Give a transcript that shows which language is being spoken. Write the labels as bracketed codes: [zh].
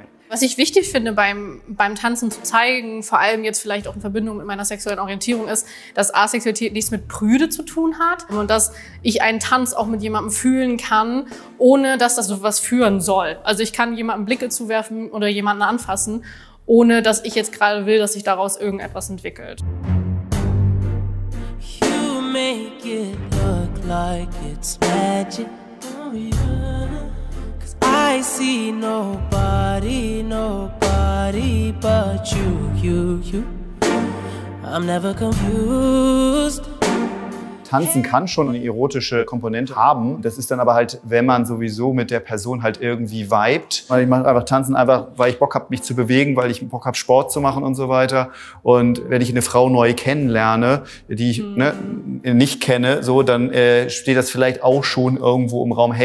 [de] Was ich wichtig finde beim Tanzen zu zeigen, vor allem jetzt vielleicht auch in Verbindung mit meiner sexuellen Orientierung, ist, dass Asexualität nichts mit Prüde zu tun hat und dass ich einen Tanz auch mit jemandem fühlen kann, ohne dass das so was führen soll. Also ich kann jemandem Blicke zuwerfen oder jemanden anfassen, ohne dass ich jetzt gerade will, dass sich daraus irgendetwas entwickelt. [en] You make it look like it's magic. Oh yeah. I see nobody, nobody but you, you, you. I'm never confused. [de] Tanzen kann schon eine erotische Komponente haben. Das ist dann aber halt, wenn man sowieso mit der Person halt irgendwie vibet. Weil ich mache einfach Tanzen, einfach, weil ich Bock habe, mich zu bewegen, weil ich Bock habe, Sport zu machen und so weiter. Und wenn ich eine Frau neu kennenlerne, die ich nicht kenne, so, dann steht das vielleicht auch schon irgendwo im Raum.